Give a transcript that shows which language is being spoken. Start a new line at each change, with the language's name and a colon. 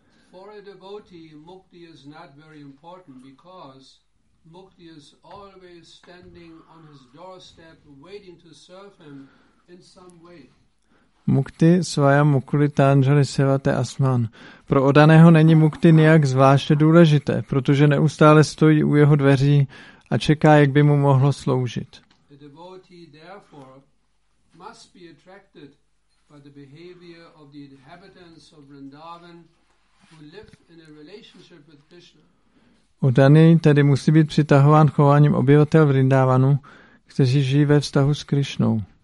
English: For a devotee, mukti is not very important because mukti is always standing on his doorstep waiting to serve him in some way.
Sanskrit: Mukti svayam mukulitanjali sevate asman.
Czech: Pro odaného není mukti nijak zvláště důležité, protože neustále stojí u jeho dveří a čeká, jak by mu mohlo sloužit.
English: A devotee therefore must be attracted by the behavior of the inhabitants of Vrindavan who live in a relationship with Krishna.
Czech: Odaný tedy musí být přitahován chováním obyvatel Vrindavanu, kteří žijí ve vztahu s Krišnou.